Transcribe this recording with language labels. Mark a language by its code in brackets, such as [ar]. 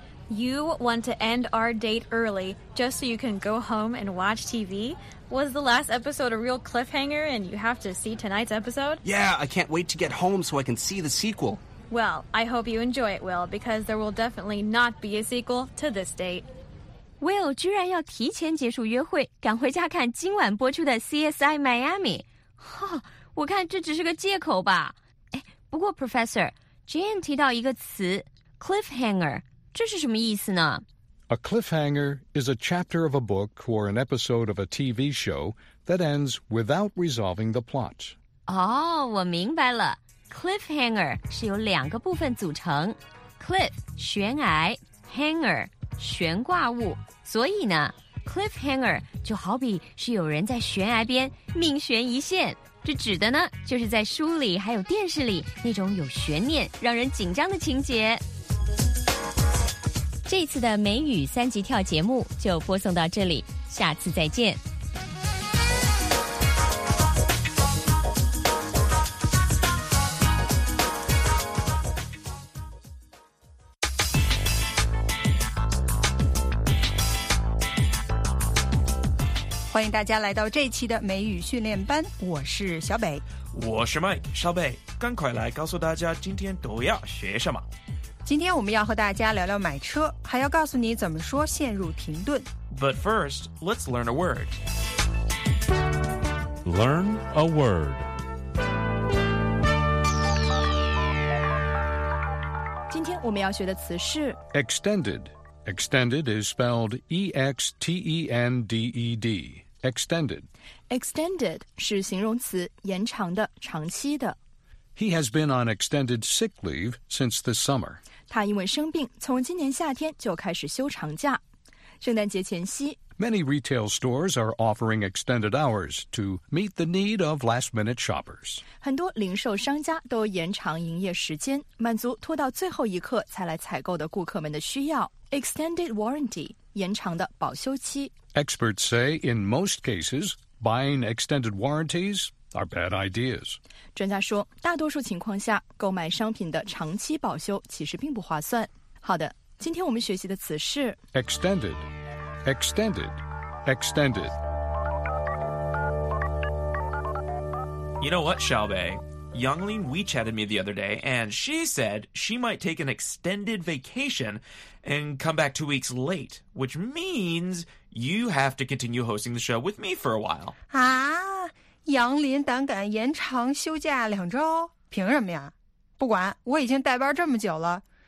[en] You want to end our date early just so you can go home and watch TV? Was the last episode a real cliffhanger and you have to see tonight's episode? Yeah, I can't wait to get home so I can see the sequel. Well, I hope you enjoy it, Will, because there will definitely not be a sequel to this date. [zh] Will 居然要提前结束约会，赶回家看今晚播出的 CSI Miami. 哈，我看这只是个借口吧。哎，不过 Professor, Jane 提到一个词 cliffhanger, 这是什么意思呢？ A cliffhanger is a chapter of a book or an episode of a TV show that ends without resolving the plot. Oh, 我明白了。 Cliffhanger 是由两个部分组成。 Cliff, 悬崖。Hanger, 悬挂物。所以呢 ,cliffhanger 就好比是有人在悬崖边命悬一线。这指的呢就是在书里还有电视里那种有悬念让人紧张的情节。这次的美语三级跳节目就播送到这里，下次再见。欢迎大家来到这期的美语训练班，我是小北。我是 Mike， 小北，赶快来告诉大家今天都要学什么。今天我们要和大家聊聊买车，还要告诉你怎么说陷入停顿。 [en] But first, let's learn a word. Learn a word. [zh] 今天我们要学的词是 [en] extended. Extended is spelled E-X-T-E-N-D-E-D. Extended. [zh] Extended 是形容词，延长的，长期的。 [en] He has been on extended sick leave since the summer. [zh] 他因为生病，从今年夏天就开始休长假。圣诞节前夕， [en] Many retail stores are offering extended hours to meet the need of last-minute shoppers. [zh] 很多零售商家都延长营业时间，满足拖到最后一刻才来采购的顾客们的需要。 Extended warranty, 延长的保修期。 [en] Experts say in most cases, buying extended warranties are bad ideas. [zh] 专家说，大多数情况下，购买商品的长期保修其实并不划算。好的。今天我们学习的词是 [en] extended, extended, extended. You know what, Xiaobei? Yanglin WeChatted me the other day, and she said she might take an extended vacation and come back 2 weeks late, which means you have to continue hosting the show with me for a while. [zh] Ah, Yanglin 胆敢延长休假两周？凭什么呀？不管，我已经带班这么久了。